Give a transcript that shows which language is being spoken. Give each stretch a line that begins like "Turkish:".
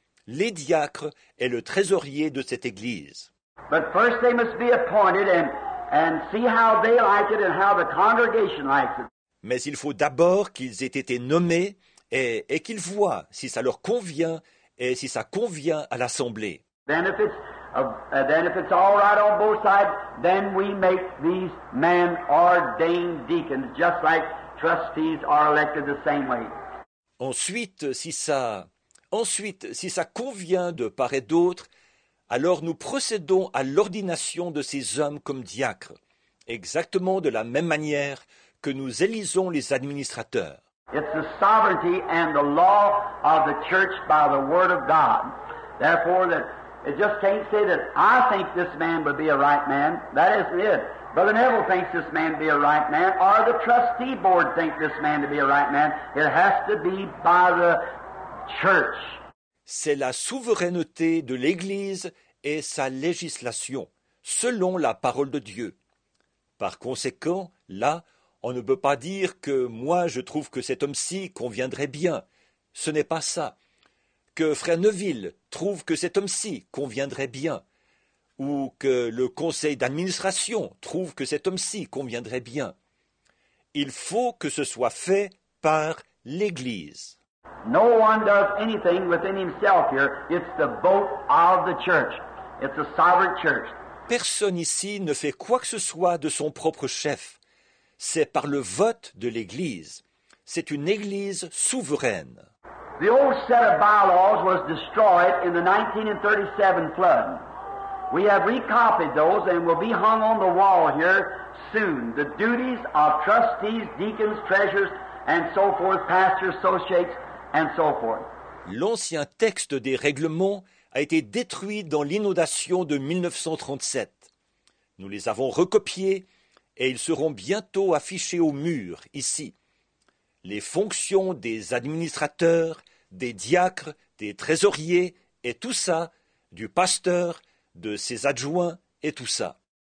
French: Les diacres et le trésorier de cette église.
English: But first they must be appointed and see how they like it and how the congregation likes it.
French: Mais il faut d'abord qu'ils aient été nommés et qu'ils voient si ça leur convient et si ça convient à l'assemblée.
English: Then if it's all right on both sides, then we make these men ordained deacons, just like trustees are elected the same way.
French: Ensuite, si ça convient de part et d'autre, alors nous procédons à l'ordination de ces hommes comme diacres, exactement de la même manière que nous élisons les administrateurs.
English: It's the sovereignty and the law of the church by the word of God. Therefore, that it just can't say that I think this man would be a right man. That isn't it. Brother Neville thinks this man be a right man, or the trustee board thinks this man to be a right man. It has to be by the church.
French: C'est la souveraineté de l'Église et sa législation, selon la parole de Dieu. Par conséquent, là, on ne peut pas dire que moi je trouve que cet homme-ci conviendrait bien. Ce n'est pas ça. Que frère Neville trouve que cet homme-ci conviendrait bien, ou que le conseil d'administration trouve que cet homme-ci conviendrait bien. Il faut que ce soit fait par l'Église.
English: No one does anything within himself here. It's the vote of the church. It's a sovereign church.
French: Personne ici ne fait quoi que ce soit de son propre chef. C'est par le vote de l'Église. C'est une Église souveraine.
English: The old set of bylaws was destroyed in the 1937 flood. We have recopied those and will be hung on the wall here soon. The duties of trustees, deacons, treasurers, and so forth, pastors, associates, and so forth.
French: L'ancien texte des règlements a été détruit dans l'inondation de 1937. Nous les avons recopiés et ils seront bientôt affichés au mur, ici. Les fonctions des administrateurs, des diacres, des trésoriers et tout ça, du pasteur, de ses adjoints et tout ça.